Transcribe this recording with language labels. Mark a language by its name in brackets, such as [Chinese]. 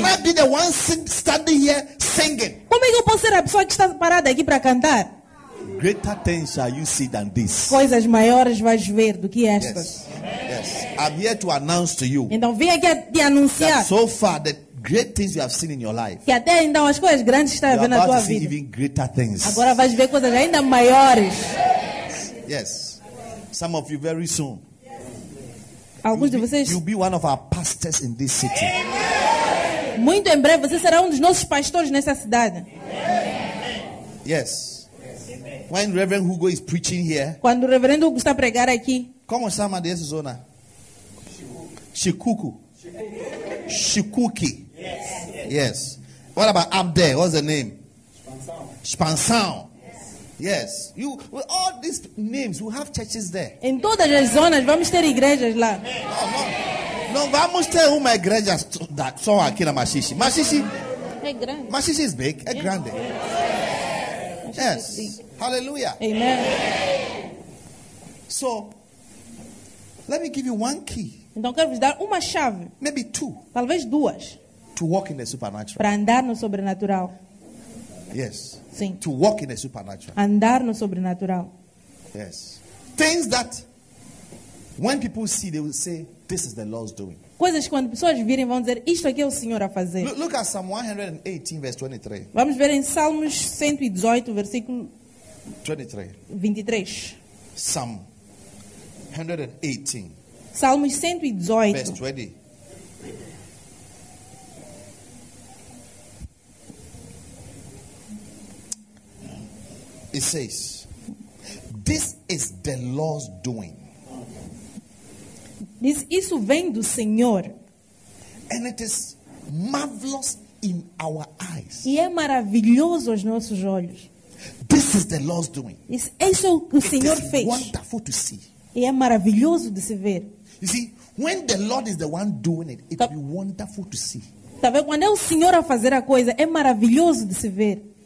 [English] Can I be the one standing here singing? [Portuguese] Como é que eu posso ser a pessoa que está parada aqui para cantar? [English] Greater things shall you see than this. [Portuguese] Coisas maiores vais ver do que estas. [English] Yes. I'm here to announce to you. [Portuguese] Então vim aqui te anunciar. [English] So far the great things you have seen in your life. [Portuguese] Que até então as coisas grandes estás vendo na tua vida. [English] You are seeing greater things. [Portuguese] Agora vais ver coisas ainda maiores. [English] Yes. Some of you very soon. [Portuguese] Alguns de vocês. [English] You'll be one of our pastors in this city. [Portuguese] Muito em breve você será um dos nossos pastores nessa cidade. [English] Yes. When Reverend Hugo is preaching here. [Portuguese] Quando o Reverendo Hugo está a pregar aqui. Como chama dessa zona? Shikuku. Shikuki. [English] Yes. Yes. What about up there? What's the name? Spansão. Yes. You with all these names, we have churches there. [Portuguese] Em todas as zonas vamos ter igrejas lá. Não, não vamos ter uma igreja that só aqui na Maxixe. Maxixe é grande. [English] Maxixe is big. [Portuguese] É grande. [English] Yes. Hallelujah. Amen. So, let me give you one key. [Portuguese] Então quero vos dar uma chave. [English] Maybe two. [Portuguese] Talvez duas. [English] To walk in the supernatural. [Portuguese] Para andar no sobrenatural. [English] Yes. [Portuguese] Sim. [English] To walk in the supernatural. [Portuguese] Andar no sobrenatural. [English] Yes. Things that when people see they will say this is the Lord's doing. [Portuguese] Coisas que quando pessoas virem vão dizer isto aqui é o Senhor a fazer. [English] Look at Psalm 118 verse 23. [Portuguese] Vamos ver em Salmos 118 versículo [English] 23. Psalm 118. [Portuguese] Salmos 118. [English] Verse 20. It says, this is the Lord's doing. [Portuguese] Diz, isso vem do Senhor. [English] And it is marvelous in our eyes. [Portuguese] E é maravilhoso aos nossos olhos. [English] This is the Lord's doing. [Portuguese] Isso é o que o Senhor fez. [English] Wonderful to see. [Portuguese] E é maravilhoso de se ver. [English] You see, when the Lord is the one doing it, it will be wonderful to see. [Portuguese] Tá vendo? Quando é o Senhor a fazer a coisa, é maravilhoso de se ver.